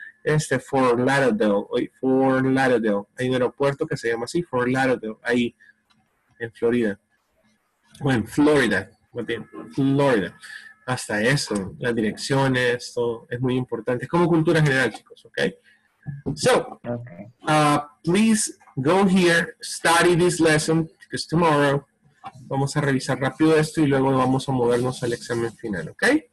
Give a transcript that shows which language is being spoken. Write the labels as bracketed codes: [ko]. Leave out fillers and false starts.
[es] Este, Fort Lauderdale. Hay un aeropuerto que se llama así, Fort Lauderdale, ahí en Florida. O en Florida, más bien, Florida. Hasta eso, las direcciones, todo, es muy importante. Es como cultura general, chicos, ¿ok? [en] So, please go here, study this lesson, because tomorrow... [es] Vamos a revisar rápido esto y luego vamos a movernos al examen final, ¿ok?